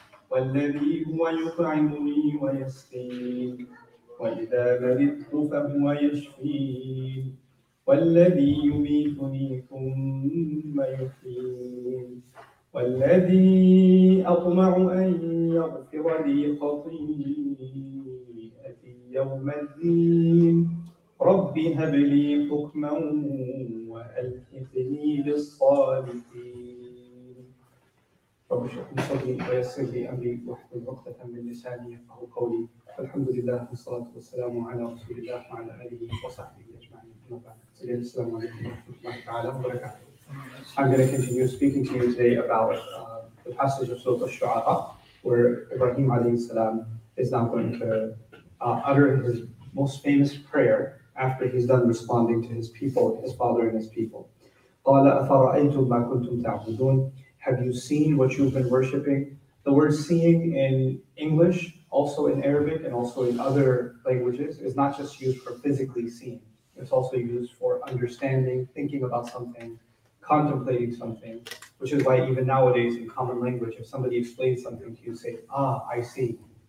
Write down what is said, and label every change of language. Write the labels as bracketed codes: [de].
[ar] والذي هو يطعمني ويسقين وإذا مرضت فهو يشفين والذي يميتني ثم يحيين والذي أطمع أن يغفر لي خطيئتي يوم الدين رب هب لي حكما وألحقني بالصالحين رب اشرح لي صدري ويسر لي امري واحلل عقدة من لساني يفقهوا قولي الحمد لله والصلاة والسلام على رسول الله وعلى اله وصحبه اجمعين اما بعد السلام عليكم ورحمة الله تعالى وبركاته. [en] I'm going to continue speaking to you today about the passage of Surah Ash-Shu'ara where Ibrahim [ar] عليه السلام [en] is now going to utter his most famous prayer after he's done responding to his people, his father and his people. [ar] قال أفرأيتم ما كنتم تعبدون. [en] Have you seen what you've been worshipping? The word seeing in English, also in Arabic, and also in other languages, is not just used for physically seeing. It's also used for understanding, thinking about something, contemplating something, which is why even nowadays in common language, if somebody explains something to you, say, ah, I see.